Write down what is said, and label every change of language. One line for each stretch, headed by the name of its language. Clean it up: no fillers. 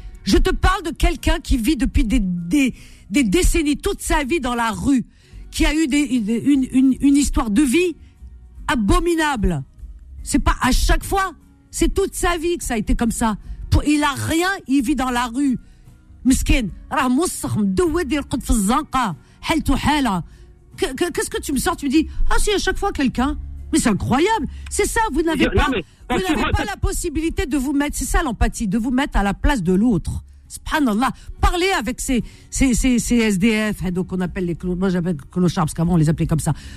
French: Je te parle de quelqu'un qui vit depuis des décennies, toute sa vie dans la rue, qui a eu une histoire de vie abominable. C'est pas à chaque fois, c'est toute sa vie que ça a été comme ça. Il a rien, il vit dans la rue.
Arabic: Miskin, راه موسخ مدود يرقد في الزنقه حالته حاله.
French: Qu'est-ce que tu me sors? Tu me dis ah si à chaque fois quelqu'un. Mais c'est incroyable. C'est ça, vous n'avez pas la possibilité de vous mettre, c'est ça l'empathie, de vous mettre à la place de l'autre. Subhanallah. Parlez avec ces SDF, donc on appelle les clochards, moi j'appelle clochards parce qu'avant on les appelait comme ça.